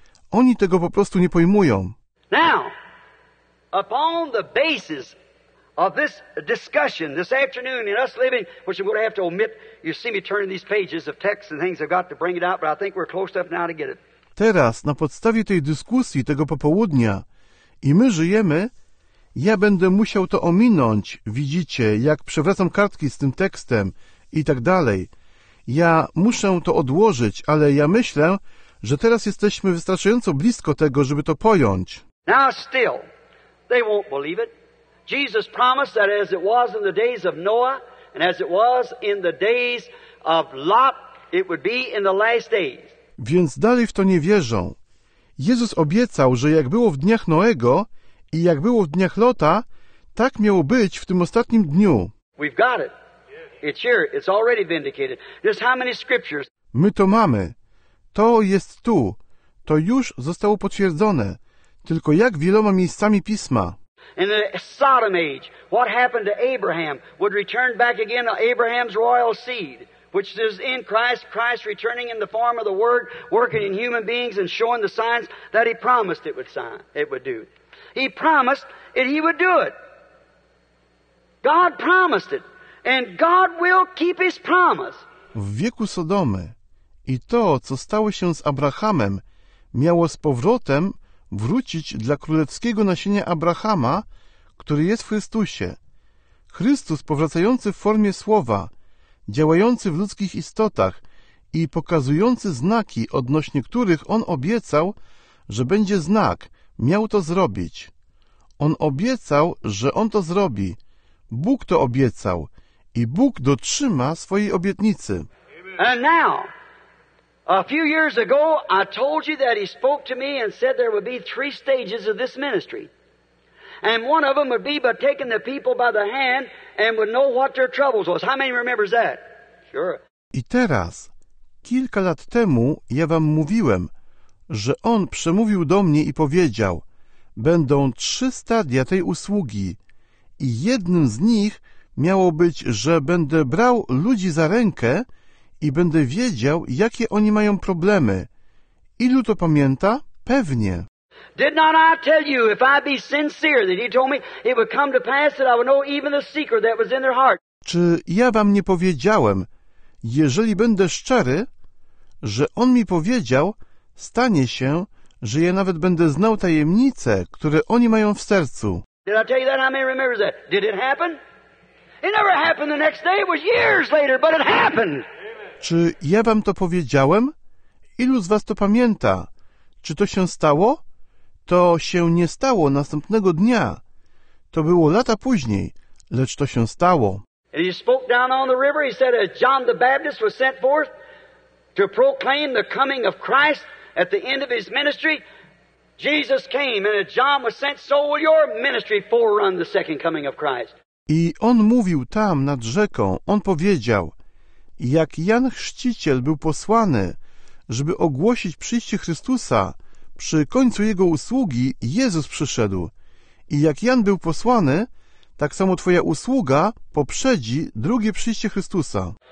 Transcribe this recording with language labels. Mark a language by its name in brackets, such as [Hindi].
[Polish] Oni tego po prostu nie pojmują. [English] Now, upon the basis of this discussion this afternoon and us living, which I'm going to have to omit, you see me turning these pages of texts and things, I've got to bring it out, but I think we're close enough now to get it. [Polish] Teraz, na podstawie tej dyskusji, tego popołudnia, i my żyjemy, ja będę musiał to ominąć, widzicie, jak przewracam kartki z tym tekstem i tak dalej. Ja muszę to odłożyć, ale ja myślę, że teraz jesteśmy wystarczająco blisko tego, żeby to pojąć. [English] Now still, they won't believe it. Jesus promised that as it was in the days of Noah and as it was in the days of Lot, it would be in the last days. [Polish] Więc dalej w to nie wierzą. Jezus obiecał, że jak było w dniach Noego i jak było w dniach Lota, tak miało być w tym ostatnim dniu. [English] We've got it. It's here. It's already vindicated. There's how many scriptures? [Polish] My to mamy. To jest tu. To już zostało potwierdzone. Tylko jak wieloma miejscami Pisma. [English] In the Sodom age, what happened to Abraham would return back again to Abraham's royal seed, which is in Christ, Christ returning in the form of the Word, working in human beings and showing the signs that he promised it would sign, it would do. He promised that he would do it. God promised it. And God will keep his promise. [Polish] W wieku Sodomy, I to, co stało się z Abrahamem, miało z powrotem wrócić dla królewskiego nasienia Abrahama, który jest w Chrystusie. Chrystus powracający w formie słowa, działający w ludzkich istotach i pokazujący znaki, odnośnie których On obiecał, że będzie znak, miał to zrobić. On obiecał, że On to zrobi. Bóg to obiecał i Bóg dotrzyma swojej obietnicy. [English] And now, a few years ago, I told you that He spoke to me and said there would be three stages of this ministry. And one of them would be by taking the people by the hand and would know what their troubles was. How many remembers that? Sure. [Polish] I teraz, kilka lat temu, ja wam mówiłem, że On przemówił do mnie i powiedział, będą trzy stadia tej usługi i jednym z nich miało być, że będę brał ludzi za rękę i będę wiedział, jakie oni mają problemy. Ilu to pamięta? Pewnie. [English] Did not I tell you, if I be sincere, that he told me it would come to pass that I would know even the secret that was in their heart? [Polish] Czy ja wam nie powiedziałem, jeżeli będę szczery, że on mi powiedział, stanie się, że ja nawet będę znał tajemnice, które oni mają w sercu? [English] Did I tell you that? I may remember that. Did it happen? It never happened the next day. It was years later, but it happened. [Polish] Czy ja wam to powiedziałem? Ilu z was to pamięta? Czy to się stało? To się nie stało następnego dnia. To było lata później, lecz to się stało. [English] And he spoke down on the river, he said, as John the Baptist was sent forth to proclaim the coming of Christ at the end of his ministry, Jesus came, and as John was sent, so will your ministry forerun the second coming of Christ. [Polish] I on mówił tam nad rzeką, on powiedział, jak Jan Chrzciciel był posłany, żeby ogłosić przyjście Chrystusa, przy końcu Jego usługi Jezus przyszedł. I jak Jan był posłany, tak samo Twoja usługa poprzedzi drugie przyjście Chrystusa.